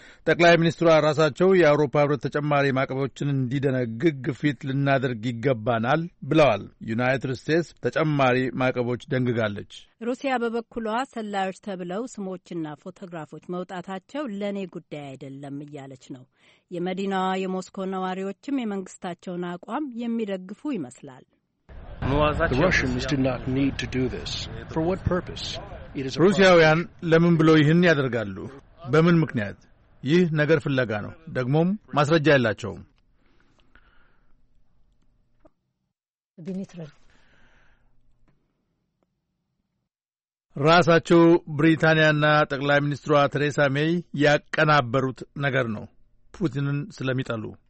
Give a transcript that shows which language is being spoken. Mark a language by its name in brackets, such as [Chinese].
[Amharic] ጠቅላይ ሚኒስትሯ ራሳቸው የአውሮፓ ህብረት ተጨማሪ ማዕቀቦችን እንዲደነግግ ፊት ልናደርግ ይገባናል ብለዋል። ዩናይትድ ስቴትስ ተጨማሪ ማዕቀቦች ደንግጋለች። ሩሲያ በበኩሏ ሰላዮች ተብለው ስሞችና ፎቶግራፎች መውጣታቸው ለኔ ጉዳይ አይደለም እያለች ነው። የመዲናዋ የሞስኮ ነዋሪዎችም የመንግስታቸውን አቋም የሚደግፉ ይመስላል። [English] The Russians did not need to do this. For what purpose? [Amharic] ሩሲያውያን ለምን ብለው ይህን ያደርጋሉ? በምን ምክንያት? ይህ ነገር ፍለጋ ነው። ደግሞም ማስረጃ ያላቸው ራሳቸው ብሪታንያና ጠቅላይ ሚኒስትሯ ቴሬሳ ሜይ ያቀናበሩት ነገር ነው። ፑቲንን ስለሚጠሉ